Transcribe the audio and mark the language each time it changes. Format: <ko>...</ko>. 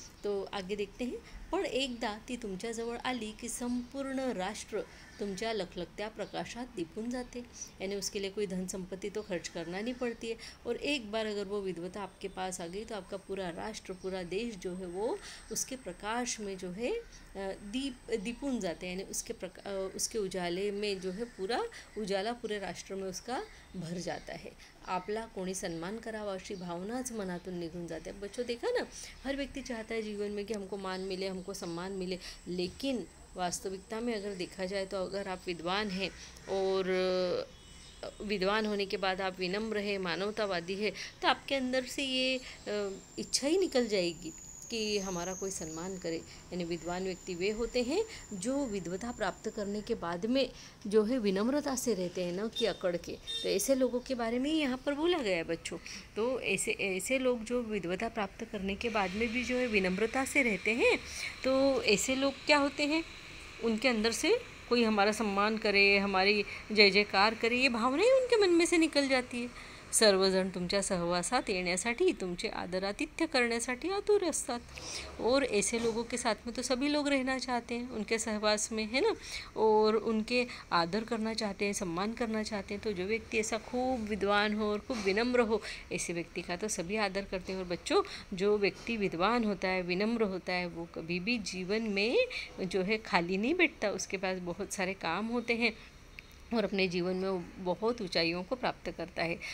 <hi>तो आगे देखते हैं,</hi> <mr>पण एकदा ती तुमच्याजवळ आली की संपूर्ण राष्ट्र तुमच्या लखलखत्या प्रकाशात दिपून जाते,</mr> <hi>यानी उसके लिए कोई धन संपत्ति तो खर्च करना नहीं पड़ती है, और एक बार अगर वो विधवता आपके पास आ गई तो आपका पूरा राष्ट्र पूरा देश जो है वो उसके प्रकाश में जो है दिपून जाते हैं, यानी उसके उजाले में जो है पूरा उजाला पूरे राष्ट्र में उसका भर जाता है।</hi> <mr>आपला कोणी सन्मान करावा अशी भावनाच मनातून निघून जाते।</mr> <hi>बच्चों देखा ना, हर व्यक्ति चाहता है जीवन में कि हमको मान मिले, हमको सम्मान मिले, लेकिन वास्तविकता में अगर देखा जाए तो अगर आप विद्वान हैं और विद्वान होने के बाद आप विनम्र हैं, मानवतावादी हैं, तो आपके अंदर से ये इच्छा ही निकल जाएगी कि हमारा कोई सम्मान करे। यानी विद्वान व्यक्ति वे होते हैं जो विद्वता प्राप्त करने के बाद में जो है विनम्रता से रहते हैं, न कि अकड़ के। तो ऐसे लोगों के बारे में यहाँ पर बोला गया है बच्चों। तो ऐसे लोग जो विद्वता प्राप्त करने के बाद में भी जो है विनम्रता से रहते हैं, तो ऐसे लोग क्या होते हैं, उनके अंदर से कोई हमारा सम्मान करे, हमारी जय जयकार करे, ये भावना ही उनके मन में से निकल जाती है।</hi> <mr>सर्वजण तुमच्या सहवासात येण्यासाठी, तुमचे आदरातिथ्य करण्यासाठी आतुर असतात।</mr> <hi>और ऐसे लोगों के साथ में तो सभी लोग रहना चाहते हैं, उनके सहवास में, है ना, और उनके आदर करना चाहते हैं, सम्मान करना चाहते हैं। तो जो व्यक्ति ऐसा खूब विद्वान हो और खूब विनम्र हो, ऐसे व्यक्ति का तो सभी आदर करते हैं। और बच्चों, जो व्यक्ति विद्वान होता है, विनम्र होता है, वो कभी भी जीवन में जो है खाली नहीं बैठता, उसके पास बहुत सारे काम होते हैं और अपने जीवन में वो बहुत ऊंचाइयों को प्राप्त करता है।</hi>